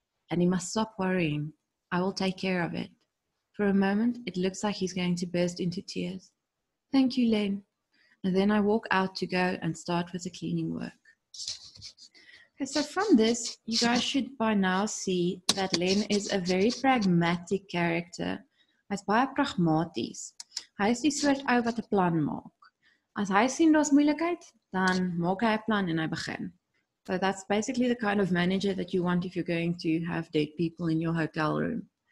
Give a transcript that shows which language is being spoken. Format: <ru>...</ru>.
<en>And he must stop worrying. I will take care of it. For a moment, it looks like he's going to burst into tears. Thank you, Len. And then I walk out to go and start with the cleaning work. Okay, so from this, you guys should by now see that Len is a very pragmatic character.</en> <af>Hy's baie pragmaties. Hy is die soort ou wat 'n plan maak. As hy sien daar's moeilikheid, dan maak hy 'n plan en hy begin.</af> <en>So that's basically the kind of manager that you want if you're going to have dead people in your hotel room.</en>